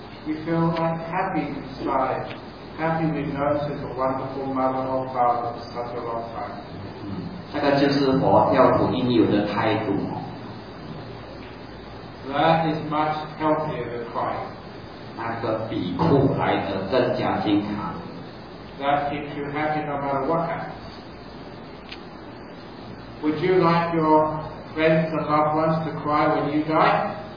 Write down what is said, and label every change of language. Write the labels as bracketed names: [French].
[English] You feel like happy inside, happy to know such a wonderful mother or father for such a long time. [Chinese] 这个就是佛教徒应有的态度。 [English] That is much healthier than crying. [Chinese] 那个比哭来得更加健康。 [English] That keeps you happy no matter what happens. Would you like your friends and loved ones to cry when you die?